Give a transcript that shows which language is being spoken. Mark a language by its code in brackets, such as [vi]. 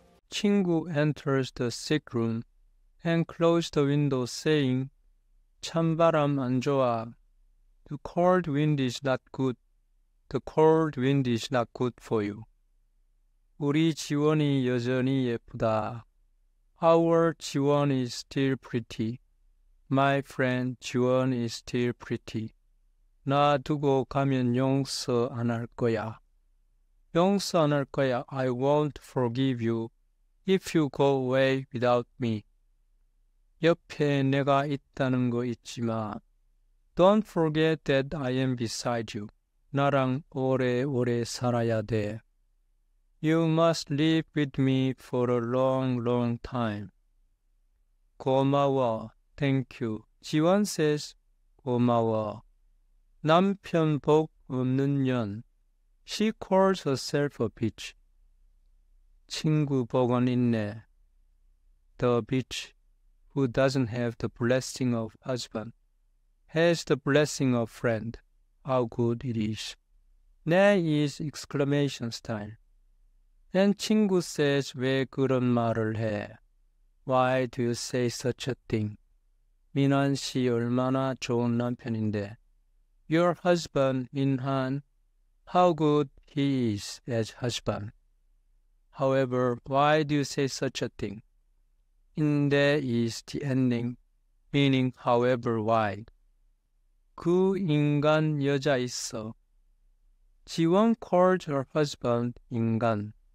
[en] 친구 enters the sick room and closed the window saying, [ko] 찬바람 안 좋아. [en] The cold wind is not good. The cold wind is not good for you. [ko] 우리 지원이 여전히 예쁘다. [en] Our 지원 is still pretty. My friend 지원 is still pretty. [ko] 나 두고 가면 용서 안 할 거야. 용서 안 할 거야. [en] I won't forgive you. If you go away without me. [ko] 옆에 내가 있다는 거 잊지 마. [en] Don't forget that I am beside you. [ko] 나랑 오래오래 살아야 돼. [en] You must live with me for a long, long time. [ko] 고마워. [en] Thank you. 지원 says 고마워. [ko] 남편 복 없는 년. [en] She calls herself a bitch. [ko] 친구 복은 있네. [en] The bitch who doesn't have the blessing of husband has the blessing of friend. How good it is. 네 is exclamation style. And 친구 says [ko] 왜 그런 말을 해? [en] Why do you say such a thing? [ko] 민한 씨 얼마나 좋은 남편인데. [en] Your husband, 민한, how good he is as husband. However, why do you say such a thing? 인데 is the ending, meaning however, why? [ko] 그 인간 여자 있어. 지원 [en] calls her husband [ko] 인간.